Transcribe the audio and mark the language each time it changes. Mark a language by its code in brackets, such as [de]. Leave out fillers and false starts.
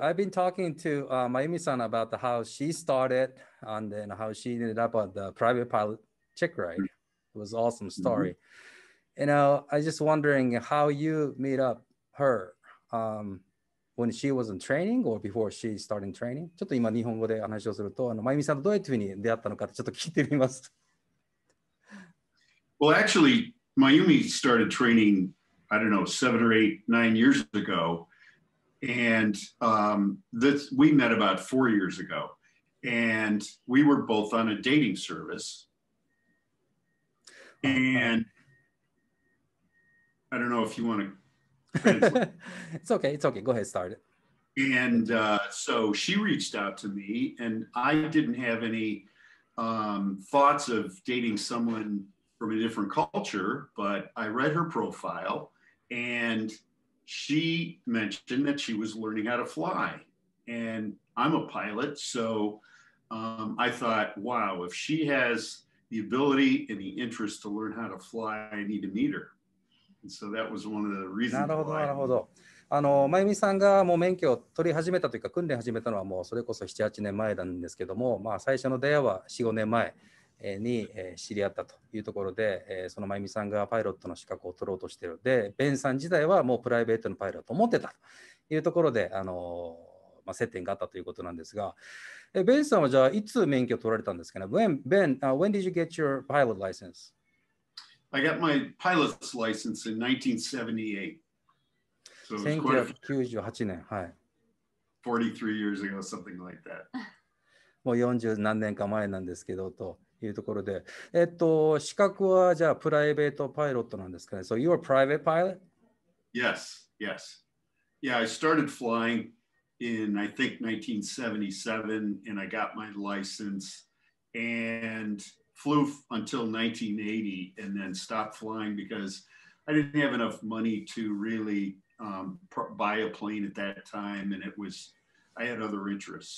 [en] I've been talking to Mayumi-san about the, how she started and then how she ended up on the private pilot chick ride. It was an awesome story. Mm-hmm. You know, I just wondering how you meet up her when she was in training or before she started training. [ja] ちょっと今日本語で話をすると、Mayumi-san とどういうふうに出会ったのかちょっと聞いてみます。 [en] Well, actually, Mayumi started training, I don't know, 7 or 8, 9 years ago. And this, we met about 4 years ago. And we were both on a dating service. And I don't know if you want to translate. It's okay. It's okay. Go ahead, start it. And so she reached out to me, and I didn't have any thoughts of dating someone from a different culture, but I read her profile and she mentioned that she was learning how to fly. And I'm a pilot, so I thought, wow, if she has the ability and the interest to learn how to fly, I need to meet her. And so that was one of the reasons [ja] なるほど、なるほど。あの、まゆみさんがもう免許を取り始めたというか訓練始めたのはもうそれこそ7、8年前なんですけども、まあ最初の出会いは4、5年前。に知り合ったというところで、そのまゆみさんがパイロットの資格を取ろうとしている。で、ベンさん自体はもうプライベートのパイロットを持ってたというところで、まあ、接点があったということなんですが、ベンさんはじゃあいつ免許を取られたんですかね。 [en] When did you get your pilot license? I got my pilot's license in 1978. [ja] So 1998年、はい。 [en] 43 years ago, something like that. [ja] もう40何年か前なんですけどと。いうところで、資格はじゃあプライベートパイロットなんですかね。 [en] So you're a private pilot? Yes, yes. Yeah, I started flying in, I think, 1977, and I got my license and flew until 1980 and then stopped flying because I didn't have enough money to really buy a plane at that time, and it was, I had other interests.